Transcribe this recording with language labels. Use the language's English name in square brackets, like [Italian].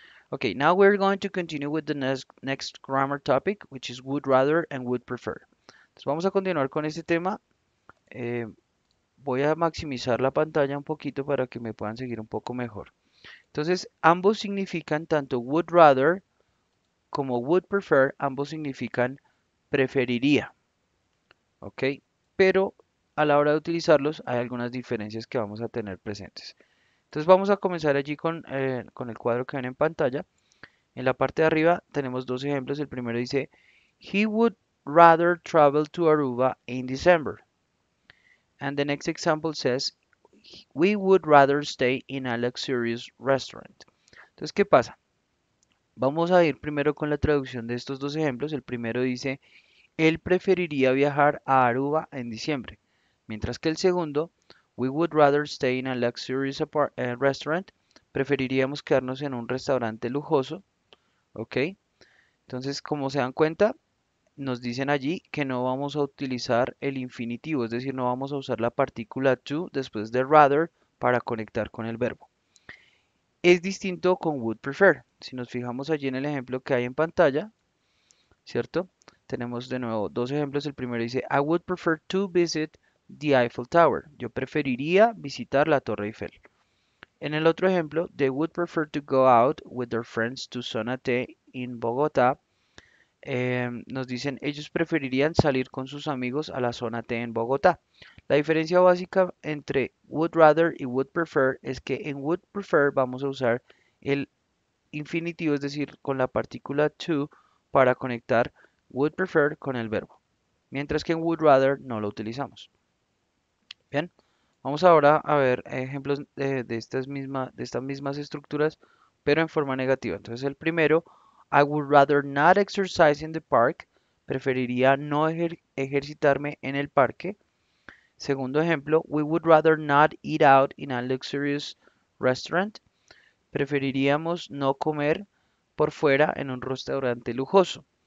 [English] Ok, now we're going to continue with the next grammar topic, which is would rather and would prefer. [Spanish] Entonces vamos a continuar con este tema. Voy a maximizar la pantalla un poquito para que me puedan seguir un poco mejor. Entonces, ambos significan tanto would rather como would prefer, ambos significan preferiría. ¿Ok? Pero a la hora de utilizarlos hay algunas diferencias que vamos a tener presentes. Entonces, vamos a comenzar allí con el cuadro que ven en pantalla. En la parte de arriba tenemos dos ejemplos. El primero dice, [English] he would rather travel to Aruba in December. And the next example says, we would rather stay in a luxurious restaurant. [Spanish] Entonces, ¿qué pasa? Vamos a ir primero con la traducción de estos dos ejemplos. El primero dice, él preferiría viajar a Aruba en diciembre. Mientras que el segundo, [English] we would rather stay in a luxurious restaurant. [Spanish] Preferiríamos quedarnos en un restaurante lujoso. ¿Ok? Entonces, como se dan cuenta, nos dicen allí que no vamos a utilizar el infinitivo, es decir, no vamos a usar la partícula to después de rather para conectar con el verbo. Es distinto con would prefer. Si nos fijamos allí en el ejemplo que hay en pantalla, ¿cierto? Tenemos de nuevo dos ejemplos. El primero dice, [English] I would prefer to visit the Eiffel Tower. [Spanish] Yo preferiría visitar la Torre Eiffel. En el otro ejemplo, [English] they would prefer to go out with their friends to Sonate in Bogotá. [Spanish] Nos dicen, ellos preferirían salir con sus amigos a la zona T en Bogotá. La diferencia básica entre would rather y would prefer es que en would prefer vamos a usar el infinitivo, es decir, con la partícula to, para conectar would prefer con el verbo. Mientras que en would rather no lo utilizamos. Bien, vamos ahora a ver ejemplos de estas mismas estructuras, pero en forma negativa. Entonces el primero, [English] I would rather not exercise in the park. [Spanish] Preferiría no ejercitarme en el parque. Segundo ejemplo, [English] we would rather not eat out in a luxurious restaurant. [Spanish] Preferiríamos no comer por fuera en un restaurante lujoso.